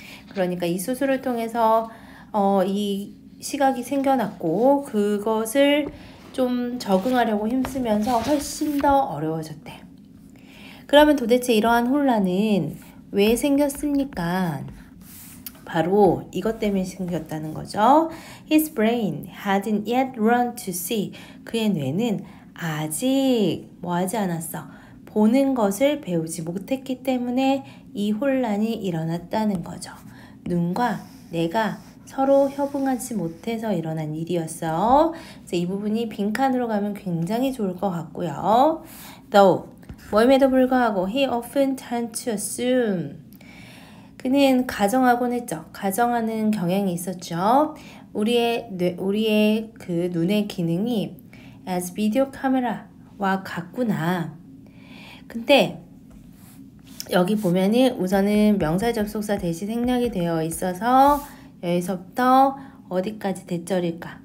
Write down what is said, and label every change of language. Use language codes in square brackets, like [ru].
[ko] 그러니까 이 수술을 통해서 이 시각이 생겨났고 그것을 좀 적응하려고 힘쓰면서 훨씬 더 어려워졌대. 그러면 도대체 이러한 혼란은 왜 생겼습니까? 바로 이것 때문에 생겼다는 거죠. [en] His brain hadn't yet learned to see. [ko] 그의 뇌는 아직 뭐 하지 않았어? 보는 것을 배우지 못했기 때문에 이 혼란이 일어났다는 거죠. 눈과 내가 서로 협응하지 못해서 일어난 일이었어. 그래서 이 부분이 빈칸으로 가면 굉장히 좋을 것 같고요. [en] Though, [ko] 모임에도 불구하고, [en] he often tend to assume. [ko] 그는 가정하곤 했죠. 가정하는 경향이 있었죠. 우리의 그 눈의 기능이 as 비디오 카메라와 같구나. 근데 여기 보면은 우선은 명사 접속사 대시 생략이 되어 있어서 여기서부터 어디까지 대절일까?